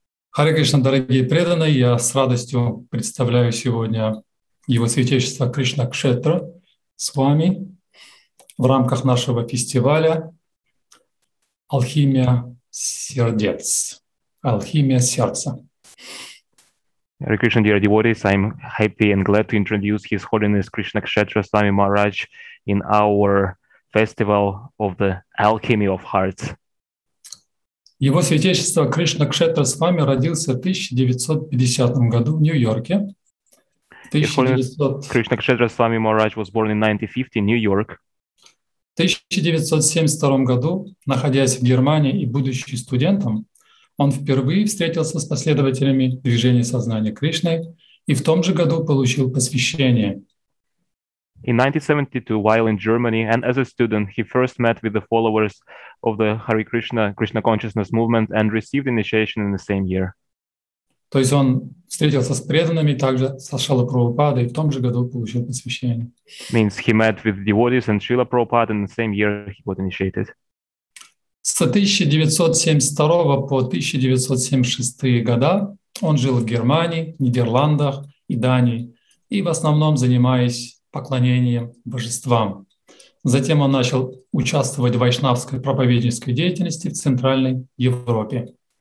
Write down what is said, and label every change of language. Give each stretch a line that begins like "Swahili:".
Russian: Харе Кришна, дорогие преданные, я с радостью представляю сегодня Его Святейшество Кришна Кшетра с вами в рамках нашего фестиваля «Алхимия сердец», «Алхимия сердца».
English: Hare Krishna, dear devotees, I'm happy and glad to introduce His Holiness Krishna Kshetra Swami Maharaj in our festival of the Alchemy of Hearts.
Russian: Его святейшество Кришна Кшетра с вами родился в 1950 году в Нью-Йорке.
English: Кришна Кшетра с вами Мараш was born in 1950 in New York.
Russian: В 1972 году, находясь в Германии и будучи студентом, он впервые встретился с последователями движения сознания Кришны и в том же году получил посвящение.
English: In 1972, while in Germany and as a student, he first met with the followers of the Hare Krishna, Krishna Consciousness Movement and received initiation in the same year.
Russian: То есть он встретился с преданными, также со Шрила Прабхупадой, и в том же году получил посвящение.
English: Means he met with devotees and Srila Prabhupada, and the same year he got initiated.
Russian: С 1972 по 1976 года он жил в Германии, Нидерландах и Дании, и в основном занимаясь поклонением божествам. Затем он начал участвовать в вайшнавской проповеднической деятельности в Центральной Европе.